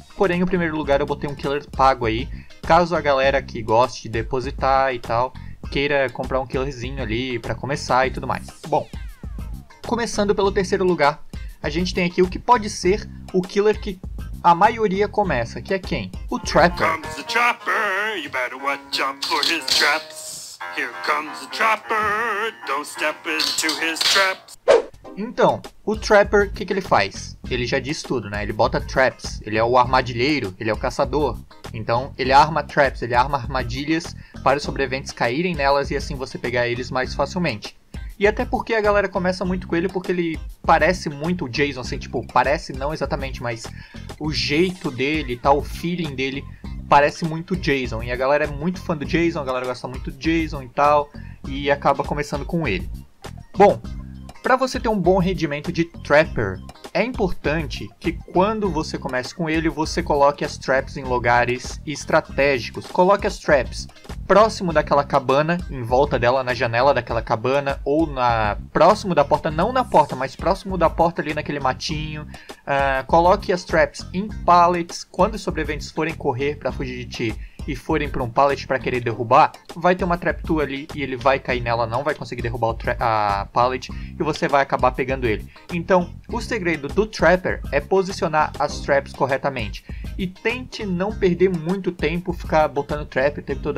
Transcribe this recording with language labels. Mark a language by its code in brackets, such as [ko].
[pt] Porém, o primeiro lugar eu botei um killer pago aí, caso a galera que goste de depositar e tal, queira comprar um killerzinho ali pra começar e tudo mais. Bom, começando pelo terceiro lugar, a gente tem aqui o que pode ser o killer que a maioria começa, que é quem? O Trapper. [en] Here comes the Trapper, you better watch out for his traps. Here comes the Trapper, don't step into his traps. [pt] Então, o Trapper, o que ele faz? Ele já diz tudo, né? Ele bota traps, ele é o armadilheiro, ele é o caçador. Então, ele arma traps, ele arma armadilhas para os sobreviventes caírem nelas e assim você pegar eles mais facilmente. E até porque a galera começa muito com ele, porque ele parece muito o Jason, assim, tipo, parece não exatamente, mas o jeito dele, tá, o feeling dele parece muito o Jason. E a galera é muito fã do Jason, a galera gosta muito do Jason e tal, e acaba começando com ele. Bom, pra você ter um bom rendimento de Trapper, é importante que quando você comece com ele, você coloque as traps em lugares estratégicos. Coloque as traps próximo daquela cabana, em volta dela, na janela daquela cabana, ou na próximo da porta, não na porta, mas próximo da porta ali naquele matinho. Coloque as traps em pallets. Quando os sobreviventes forem correr pra fugir de ti e forem pra um pallet pra querer derrubar, vai ter uma trap tua ali e ele vai cair nela, não vai conseguir derrubar a pallet e você vai acabar pegando ele. Então, o segredo do Trapper é posicionar as traps corretamente. E tente não perder muito tempo ficar botando trap o tempo todo.